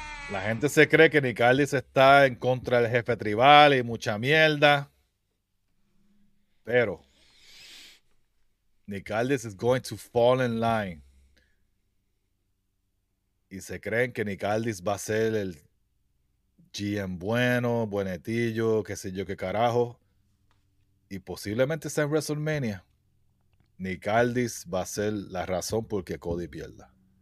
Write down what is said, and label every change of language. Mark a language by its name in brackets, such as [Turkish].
[Spanish] La gente se cree que Nick Aldis está en contra del jefe tribal y mucha mierda. [English] Pero Nick Aldis is going to fall in line. [Spanish] Y se creen que Nick Aldis va a ser el GM bueno, buenetillo, qué sé yo qué carajo. Y posiblemente sea en WrestleMania. Nick Aldis va a ser la razón por qué Cody pierda.